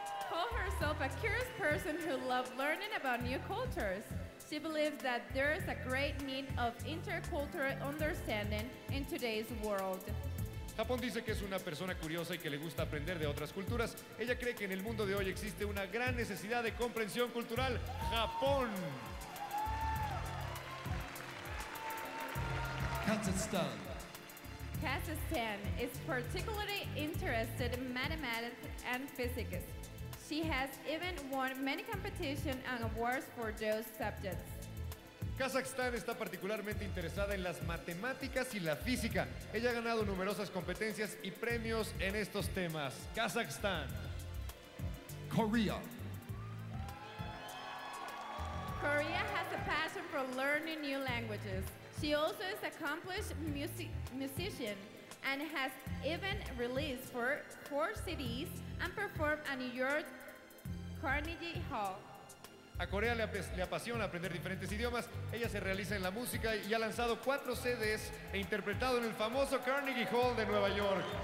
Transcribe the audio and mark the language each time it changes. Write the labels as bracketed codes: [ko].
[en] Call herself a curious person who loves learning about new cultures. She believes that there is a great need of intercultural understanding in today's world. [es] Japón dice que es una persona curiosa y que le gusta aprender de otras culturas. Ella cree que en el mundo de hoy existe una gran necesidad de comprensión cultural. ¡Japón! [en] Kazakhstan. Kazakhstan is particularly interested in mathematics and physics. She has even won many competitions and awards for those subjects. [es] Kazajstán está particularmente interesada en las matemáticas y la física. Ella ha ganado numerosas competencias y premios en estos temas. Kazajstán. [en] Korea. Korea has a passion for learning new languages. She also is an accomplished musician and has even released for 4 CDs and performed at New York Carnegie Hall. [es] A Corea le apasiona aprender diferentes idiomas. Ella se realiza en la música y ha lanzado 4 CDs e interpretado en el famoso Carnegie Hall de Nueva York.